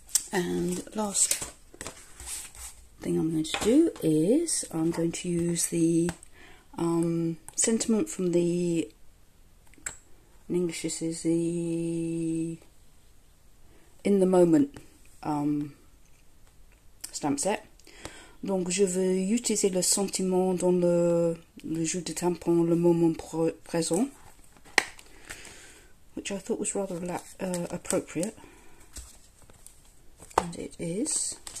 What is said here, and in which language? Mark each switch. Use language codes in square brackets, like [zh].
[en] And last thing I'm going to do is I'm going to use the sentiment from the, in English this is the In the Moment stamp set. [fr] Donc je veux utiliser le sentiment dans le jeu de tampon, le moment présent. [en] Which I thought was rather appropriate, and it is.